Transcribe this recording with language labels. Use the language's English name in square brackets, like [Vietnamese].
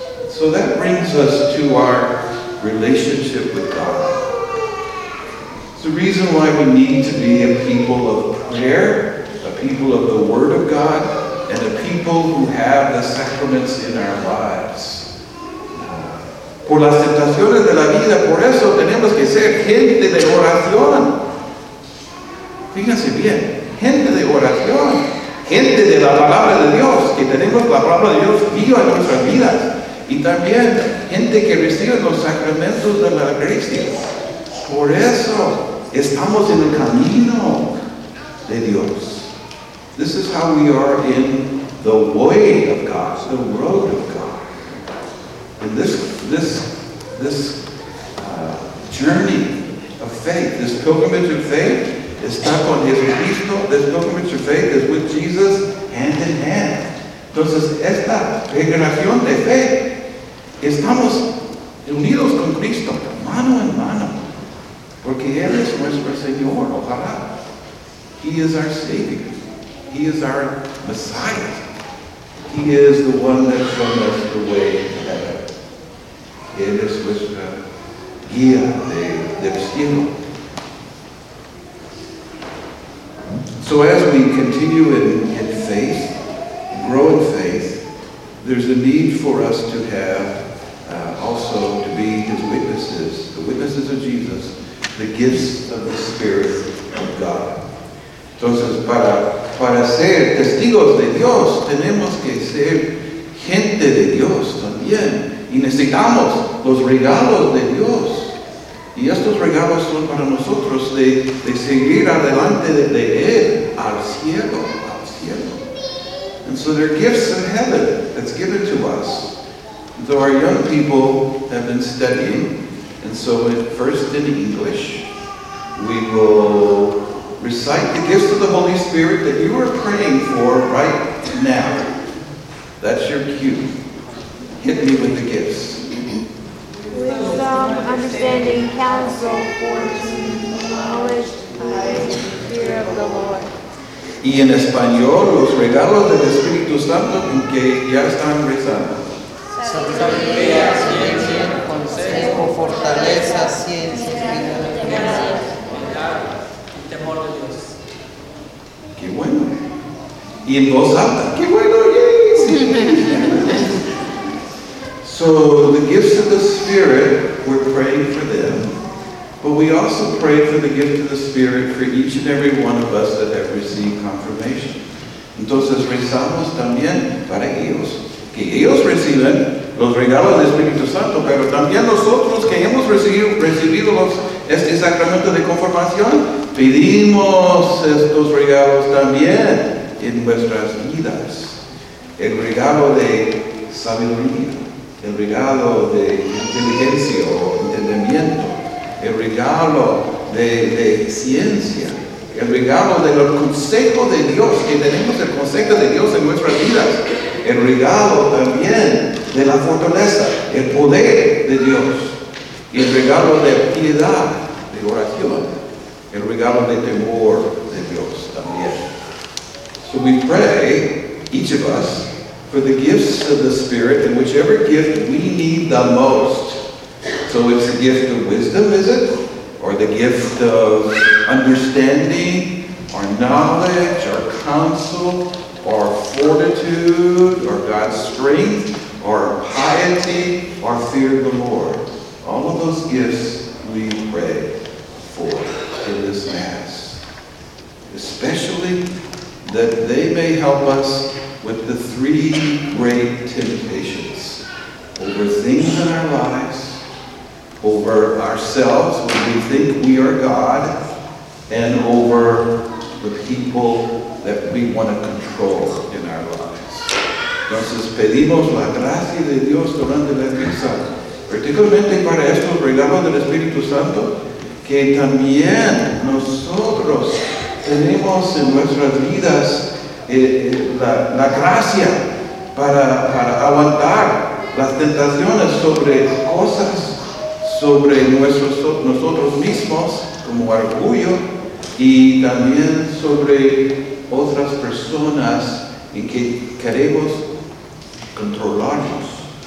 [English] So that brings us to our relationship with God. It's the reason why we need to be a people of prayer, a people of the Word of God, and a people who have the sacraments in our lives. [Spanish] Por las tentaciones de la vida, por eso tenemos que ser gente de oración. Fíjense bien, gente de oración, gente de la palabra de Dios, que tenemos la palabra de Dios viva en nuestras vidas. Y también gente que recibe los sacramentos de la gracia. Por eso estamos en el camino de Dios. [English] This is how we are in the way of God, the road of God. And this journey of faith, this pilgrimage of faith, [Spanish] está con Jesucristo. [English] This pilgrimage of faith is with Jesus hand in hand. [Spanish] Entonces, esta peregrinación de fe, estamos unidos con Cristo, mano en mano, porque Él es nuestro Señor, ojalá. [English] He is our Savior. He is our Messiah. He is the one that showed us the way to heaven. [Spanish] Él es nuestra guía de destino. [English] So as we continue in faith, grow in faith, there's a need for us to have also to be His witnesses, the witnesses of Jesus, the gifts of the Spirit of God. [Spanish] Entonces, para ser testigos de Dios, tenemos que ser gente de Dios también. Y necesitamos los regalos de Dios. Y estos regalos son para nosotros de seguir adelante de Él al cielo, al cielo. [English] And so there are gifts in heaven that's given to us. So our young people have been studying, and so first in English, we will recite the gifts of the Holy Spirit that you are praying for right now. That's your cue. Hit me with the gifts. Wisdom, understanding, counsel, fortune, knowledge, pride, fear of the Lord. [Spanish] Y en español, los regalos del Espíritu Santo en que ya están rezando. Sabiduría, ciencia, consejo, fortaleza, ciencia, bondad, temor de Dios. Qué bueno. Y en voz alta, qué bueno. Yay. [English] So the gifts of the Spirit, we're praying for them, but we also pray for the gift of the Spirit for each and every one of us that have received confirmation. [Spanish] Entonces rezamos también para ellos, que ellos reciben los regalos del Espíritu Santo, pero también nosotros que hemos recibido este sacramento de confirmación, pedimos estos regalos también en nuestras vidas. El regalo de sabiduría, el regalo de inteligencia o entendimiento, el regalo de ciencia, el regalo del consejo de Dios, que tenemos el consejo de Dios en nuestras vidas. El regalo también de la fortaleza, el poder de Dios, y el regalo de piedad, de oración, el regalo de temor de Dios también. [English] So we pray, each of us, for the gifts of the Spirit, and whichever gift we need the most. So it's the gift of wisdom, is it? Or the gift of understanding, or knowledge, or counsel, or fortitude, or God's strength, or piety, or fear of the Lord. All of those gifts we pray for in this Mass. Especially that they may help us with the three great temptations. Over things in our lives, over ourselves when we think we are God, and over the people that we want to control in our lives. [Spanish] Entonces pedimos la gracia de Dios durante la misa, particularmente para estos regalos del Espíritu Santo, que también nosotros tenemos en nuestras vidas la gracia para aguantar las tentaciones sobre cosas, sobre nosotros mismos, como orgullo, y también sobre otras personas en que queremos controlarnos.